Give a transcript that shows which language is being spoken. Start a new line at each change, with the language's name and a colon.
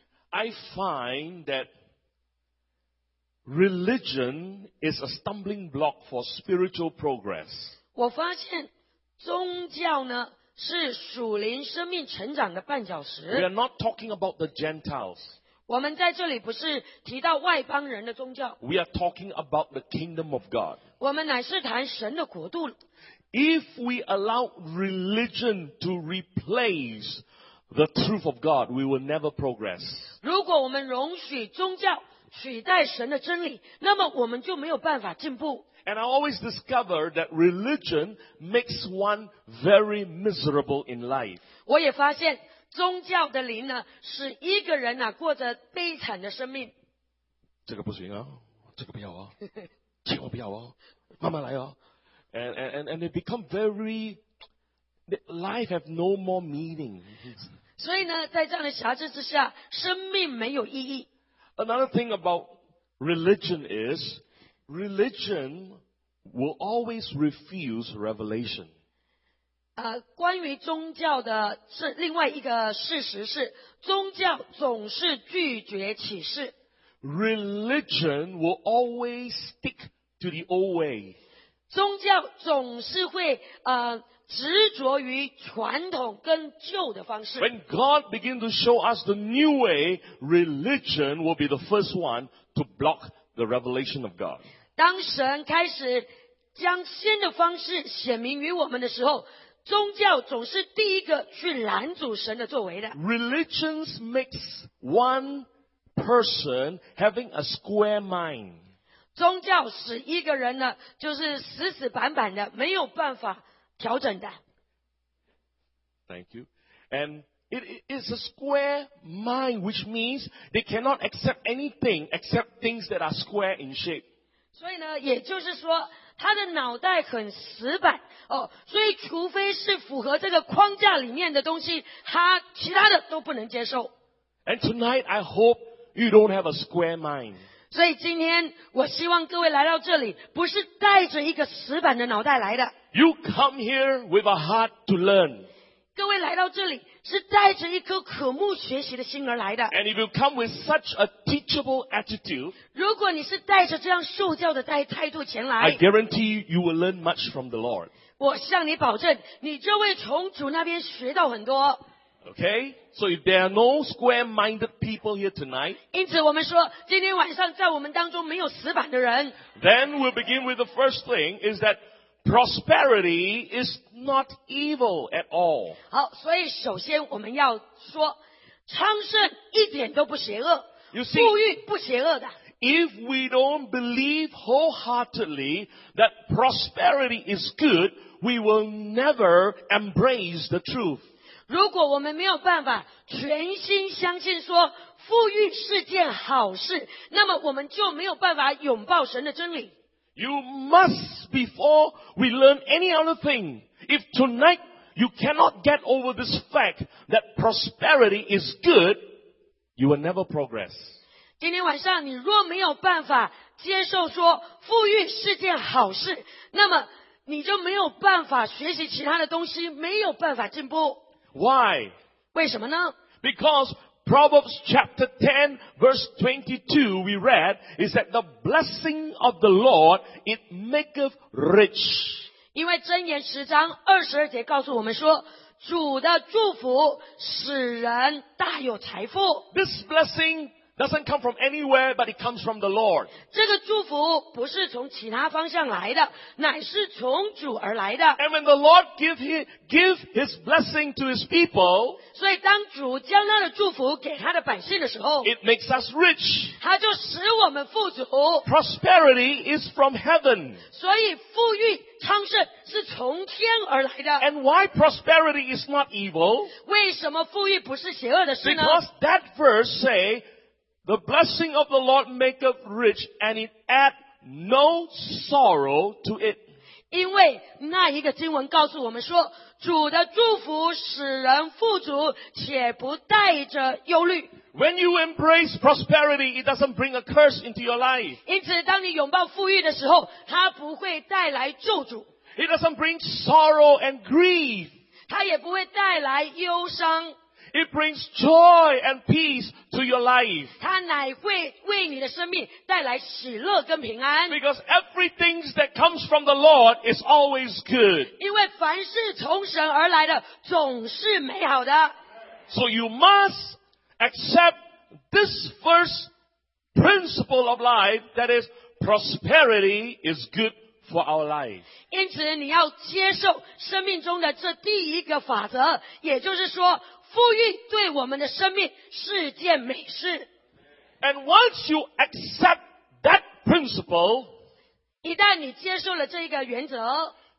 English: I find that religion is a stumbling block for spiritual progress.
Chinese: 我发现宗教呢是属灵生命成长的绊脚石。
English: We are not talking about the Gentiles.
Chinese: 我们在这里不是提到外邦人的宗教。
English: We are talking about the kingdom of God.
Chinese: 我们乃是谈神的国度。
English: If we allow religion to replace the truth of God, we will never progress.
Chinese: 如果我们容许宗教取代神的真理，那么我们就没有办法进步。
English: And I always discover that religion makes one very miserable in life.
Chinese: 我也发现宗教的灵呢，使一个人呢，过着悲惨的生命。这个不行啊，这个不要啊，千万不要啊，慢慢来啊。
English: And they become very, life have no more meaning.
Chinese: 所以呢，在这样的辖制之下，生命没有意义。
English: Another thing about religion is, religion will always refuse revelation.
Chinese: 关于宗教的是另外一个事实是，宗教总是拒绝启示。
English: Religion will always stick to the old way.
Chinese: 宗教总是会执着于传统跟旧的方式。
English: When God begins to show us the new way, religion will be the first one to block the revelation of God.
Chinese: 当神开始将新的方式显明于我们的时候，宗教总是第一个去拦阻神的作为的。
English: Religion makes one person having a square mind.
Chinese: 宗教使一个人呢，就是死死板板的，没有办法调整的。
English: Thank you. And it is a square mind, which means they cannot accept anything except things that are square in shape.
Chinese: 所以呢，也就是说，他的脑袋很死板哦，所以除非是符合这个框架里面的东西，他其他的都不能接受。
English: And tonight, I hope you don't have a square mind.
Chinese: 所以今天，我希望各位来到这里，不是带着一个死板的脑袋来的。
English: You come here with a heart to learn.
Chinese: 各位来到这里是带着一颗渴慕学习的心而来的。
English: And if you come with such a teachable attitude,
Chinese: 如果你是带着这样受教的态度前来，
English: I guarantee you will learn much from the Lord.
Chinese: 我向你保证，你就会从主那边学到很多。
English: Okay, so if there are no square-minded people here tonight,
Chinese: 因此我们说，今天晚上在我们当中没有死板的人。
English: Then we'll begin with the first thing is that. Prosperity is not evil at all.
Chinese: 好，所以首先我们要说，昌盛一点都不邪恶，
English: you see,
Chinese: 富裕不邪恶的。
English: If we don't believe wholeheartedly that prosperity is good, we will never embrace the truth.
Chinese: 如果我们没有办法全心相信说富裕是件好事，那么我们就没有办法拥抱神的真理。
English: You must, before we learn any other thing, if tonight you cannot get over this fact that prosperity is good, you will never progress.
Chinese: 今天晚上你若没有办法接受说富裕是件好事，那么你就没有办法学习其他的东西，没有办法进步。
English: Why?
Chinese: 为什么呢？
English: Because Proverbs chapter 10 verse 22 we read is that the blessing of the Lord it maketh rich.
Chinese: 因为箴言十章二十二节告诉我们说，主的祝福使人大有财富。
English: This blessing doesn't come from anywhere but it comes from the Lord.
Chinese: 这个祝福不是从其他方向来的，乃是从主而来的。
English: And when the Lord give his blessing to his people,
Chinese: 所以当主将他的祝福给他的百姓的时候，
English: it makes us rich.
Chinese: 他就使我们富足。
English: Prosperity is from heaven.
Chinese: 所以富裕昌盛是从天而来的。
English: And why prosperity is not evil?
Chinese: 为什么富裕不是邪恶的事呢？
English: Because that verse say,The blessing of the Lord maketh rich, and it add no sorrow to it.
Chinese: 因为那一个经文告诉我们说，主的祝福使人富足，且不带着忧虑。
English: When you embrace prosperity, it doesn't bring a curse into your life.
Chinese: 因此，当你拥抱富裕的时候，它不会带来咒诅。
English: It doesn't bring sorrow and grief.
Chinese: 它也不会带来忧伤。
English: It brings joy and peace to your life.
Chinese: 它乃会为你的生命带来喜乐跟平安。
English: Because everything that comes from the Lord is always good.
Chinese: 因为凡事从神而来的总是美好的。
English: So you must accept this first principle of life, that is, prosperity is good for our life.
Chinese: 因此你要接受生命中的这第一个法则，也就是说富裕对我们的生命是件美事。
English: And once you accept that principle,
Chinese: 一旦你接受了这一个原则，